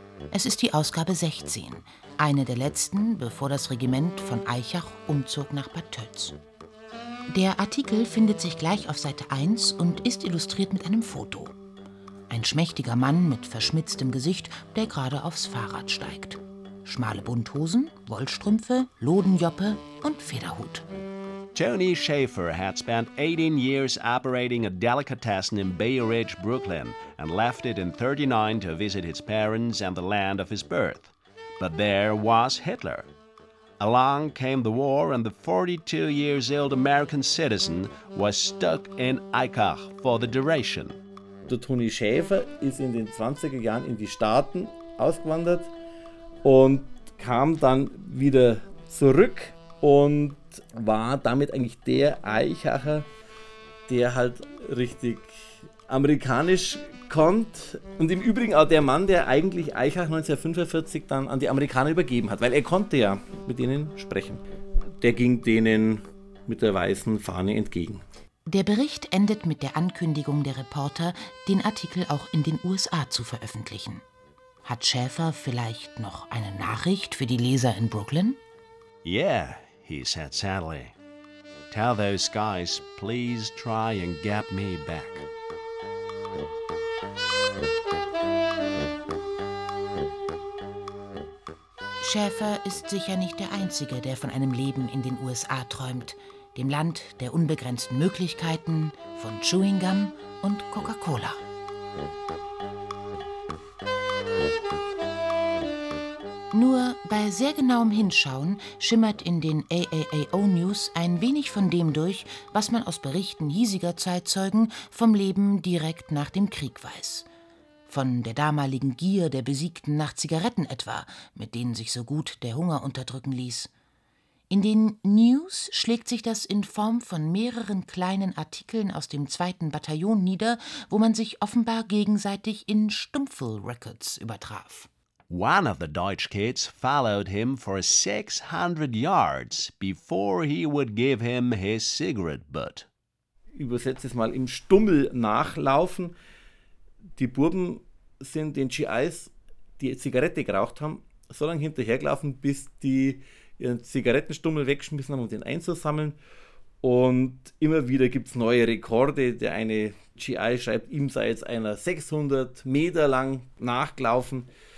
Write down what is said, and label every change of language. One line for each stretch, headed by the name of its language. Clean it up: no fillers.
German: Es ist die Ausgabe 16. Eine der letzten, bevor das Regiment von Eichach umzog nach Bad Tölz. Der Artikel findet sich gleich auf Seite 1 und ist illustriert mit einem Foto. Ein schmächtiger Mann mit verschmitztem Gesicht, der gerade aufs Fahrrad steigt. Schmale Bunthosen, Wollstrümpfe, Lodenjoppe und Federhut.
English: Tony Schaefer had spent 18 years operating a delicatessen in Bay Ridge, Brooklyn and left it in 39 to visit his parents and the land of his birth. But there was Hitler. Along came the war and the 42 years old American citizen was stuck in Eichach for the duration.
German: Der Toni Schäfer ist in den 20er Jahren in die Staaten ausgewandert und kam dann wieder zurück und war damit eigentlich der Eichacher, der halt richtig amerikanisch kommt. Und im Übrigen auch der Mann, der eigentlich Eichach 1945 dann an die Amerikaner übergeben hat, weil er konnte ja mit ihnen sprechen. Der ging denen mit der weißen Fahne entgegen. Der Bericht endet mit der Ankündigung der Reporter, den Artikel auch in den USA zu veröffentlichen. Hat Schäfer vielleicht noch eine Nachricht für die Leser in Brooklyn?
English: Yeah, he said sadly. Tell those guys, please try and get me back.
German: Schäfer ist sicher nicht der Einzige, der von einem Leben in den USA träumt. Dem Land der unbegrenzten Möglichkeiten, von Chewing Gum und Coca-Cola. Nur bei sehr genauem Hinschauen schimmert in den AAAO-News ein wenig von dem durch, was man aus Berichten hiesiger Zeitzeugen vom Leben direkt nach dem Krieg weiß. Von der damaligen Gier der Besiegten nach Zigaretten etwa, mit denen sich so gut der Hunger unterdrücken ließ. In den News schlägt sich das in Form von mehreren kleinen Artikeln aus dem 2. Bataillon nieder, wo man sich offenbar gegenseitig in Stumpfel-Records übertraf.
English: One of the Deutsch kids followed him for 600 yards before he would give him his cigarette butt.
German: Übersetzt es mal im Stummel nachlaufen. Die Buben sind den GIs, die Zigarette geraucht haben, so lange hinterhergelaufen, bis die ihren Zigarettenstummel weggeschmissen haben, um den einzusammeln. Und immer wieder gibt es neue Rekorde. Der eine GI schreibt, ihm sei jetzt einer 600 Meter lang nachgelaufen.